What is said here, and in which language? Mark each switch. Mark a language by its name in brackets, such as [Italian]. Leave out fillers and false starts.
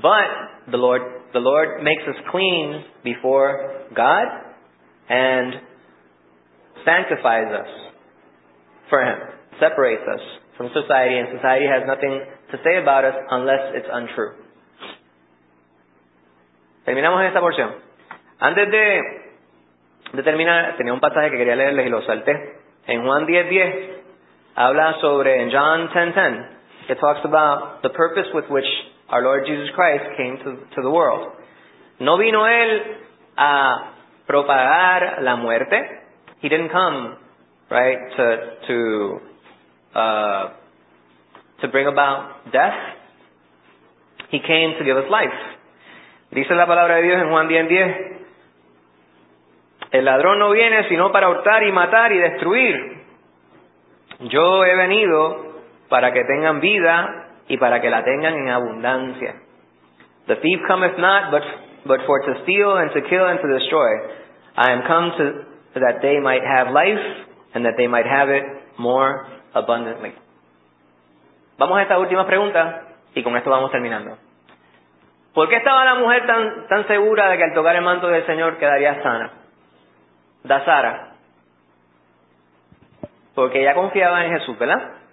[English] But the Lord makes us clean before God and sanctifies us for Him, separates us from society, and society has nothing to say about us unless it's untrue. [Spanish] Terminamos en esta porción. Antes de terminar, tenía un pasaje que quería leerles y lo salté. En Juan 10:10, habla sobre, en [English] John 10:10, it talks about the purpose with which our Lord Jesus Christ came to the world. [Spanish] No vino Él a propagar la muerte. [English] He didn't come, right, to bring about death. He came to give us life. [Spanish] Dice la palabra de Dios en Juan 10:10. El ladrón no viene sino para hurtar y matar y destruir. Yo he venido para que tengan vida y para que la tengan en abundancia. [English] The thief cometh not but for to steal and to kill and to destroy. I am come to that they might have life and that they might have it more abundantly. [Spanish] Vamos a esta última pregunta y con esto vamos terminando. ¿Por qué estaba la mujer tan segura de que al tocar el manto del Señor quedaría sana? Da Sara. Porque ella confiaba en Jesús, ¿verdad?